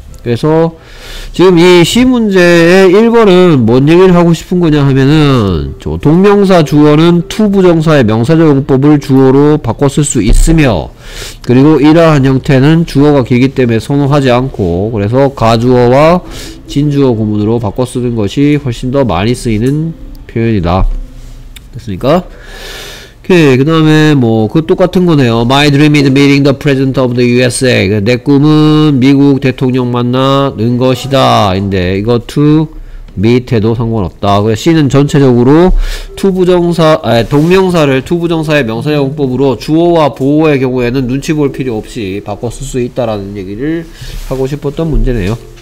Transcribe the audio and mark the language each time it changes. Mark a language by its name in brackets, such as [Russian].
[Korean] 그래서 지금 이 시 문제의 1번은 뭔 얘기를 하고 싶은 거냐 하면은 동명사 주어는 to 부정사의 명사 적용법을 주어로 바꿔 쓸 수 있으며 그리고 이러한 형태는 주어가 길기 때문에 선호하지 않고 그래서 가주어와 진주어 구문으로 바꿔 쓰는 것이 훨씬 더 많이 쓰이는 표현이다. 됐습니까? 오케이. 그 다음에 뭐 그 똑같은 거네요. [English] My dream is meeting the president of the USA. [Korean] 내 꿈은 미국 대통령 만나는 것이다. 인데 이거 to 밑에도 상관없다. 그래, C는 전체적으로 투부정사, 아니, 동명사를 투부정사의 명사형법으로 주어와 보어의 경우에는 눈치 볼 필요 없이 바꿔 쓸 수 있다라는 얘기를 하고 싶었던 문제네요.